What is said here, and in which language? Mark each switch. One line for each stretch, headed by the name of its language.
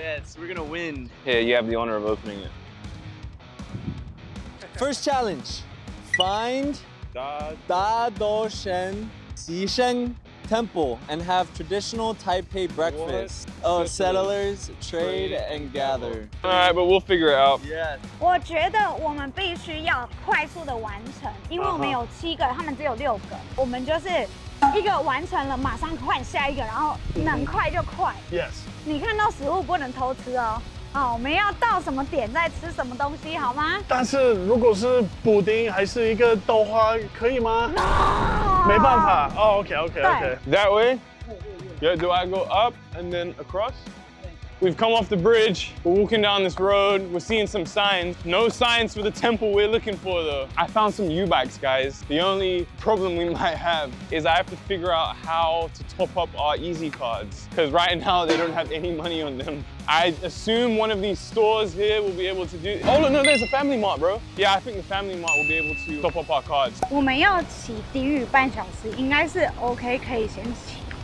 English: Yes, we're gonna win. Here, you have the honor of opening it. First challenge, find Da Do Shen Xi Sheng Temple and have traditional Taipei breakfast. Oh, settlers, trade, and gather. All right, but we'll figure it out. Yeah.
Chinese: 我觉得我们必须要快速的完成，因为我们有七个，他们只有六个。我们就是一个完成了，马上换下一个，然后能快就快。
English: Yes.
Chinese: 你看到食物不能偷吃哦。哦，我们要到什么点再吃什么东西，好吗？但是如果是补丁还是一个豆花，可以吗？
English: No!
Chinese: 没办法。哦、oh, ，OK。
English: That way. Yeah. Do I go up and then across? We've come off the bridge. We're walking down this road. We're seeing some signs. No signs for the temple we're looking for, though. I found some U-bikes, guys. The only problem we might have is I have to figure out how to top up our EZ cards because right now they don't have any money on them. I assume one of these stores here will be able to do. Oh no, there's a Family Mart, bro. Yeah, I think the Family Mart will be able to top up our cards.
Chinese: 我们要骑低于半小时，应该是 OK， 可以先骑。